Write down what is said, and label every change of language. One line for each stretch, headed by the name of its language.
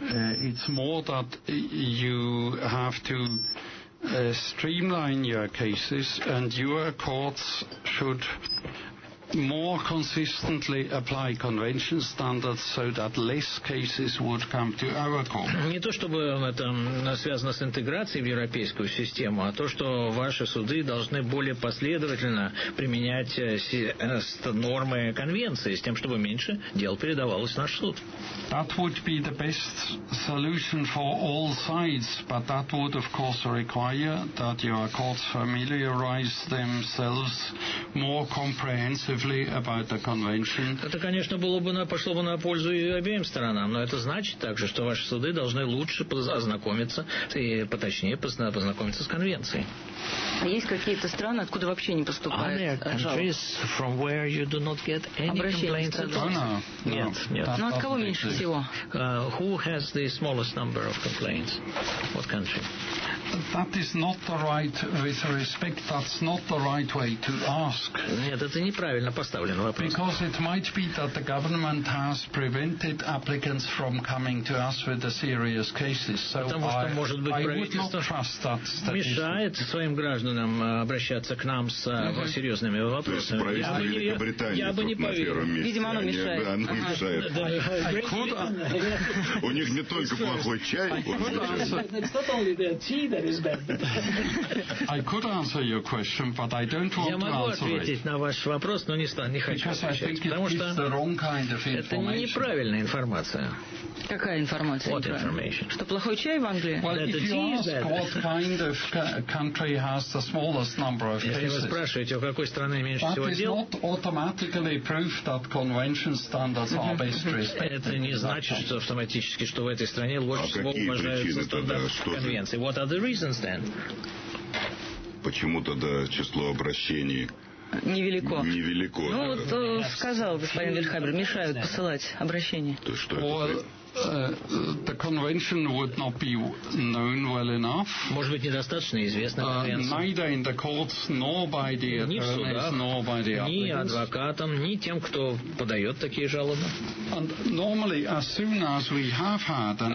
English: It's more that you have to streamline your cases and your courts should more consistently apply convention standards so that less cases would come to our court.
Russian: Не то чтобы это связано с интеграцией в европейскую систему, а то, что ваши суды должны более последовательно применять нормы конвенции, с тем, чтобы меньше дел передавалось в наш суд.
English: That would be the best solution for all sides, but that would of course require that your courts familiarize themselves more comprehensively about the convention.
Russian: Это, конечно, пошло бы на пользу и обеим сторонам, но это значит также, что ваши суды должны лучше ознакомиться и поточнее познакомиться с конвенцией. А есть какие-то страны, откуда вообще не поступают жалобы?
English: Are there countries from where you do not get any complaints at all?
Russian: Нет, нет. Но от кого меньше всего?
English: Who has the smallest number of complaints? What country? That is not the right, with respect, that's not the right way to ask.
Russian: Нет, это неправильно поставлен вопрос.
English: Because it might be that the government has prevented applicants from coming to us with the serious cases. So
Russian: потому что, может быть, правительство мешает своим гражданам обращаться к нам с серьезными вопросами. То есть правительство Великобритании тут на первом месте. Видимо, оно мешает. Да, оно мешает. У них не только плохой чай.
English: I could answer your question, but I don't want to answer it.
Russian: Я могу ответить на ваш вопрос, но не хочу отвечать, потому что это неправильная информация. Какая информация?
English: What information?
Russian: Что плохой чай в Англии?
English: Well, if you ask what kind of country has the smallest number of cases,
Russian: если вы спрашиваете, у какой страны меньше всего дел,
English: that is not automatically proof that convention standards are best respected.
Russian: Это не значит, что автоматически, что в этой стране лучше всего уважаются стандарты конвенции.
English: What are the reasons then?
Russian: Почему тогда число обращений невелико. Невелико. Ну, вот сказал господин Вильдхабер, мешают посылать обращения. То что это?
English: The convention would not be known well enough.
Russian: Может быть, недостаточно известна конвенция.
English: Neither in the courts, nor by the attorneys, nor by the applicants.
Russian: Ни адвокатам, ни тем, кто подает такие жалобы.
English: And normally, as soon as we have had an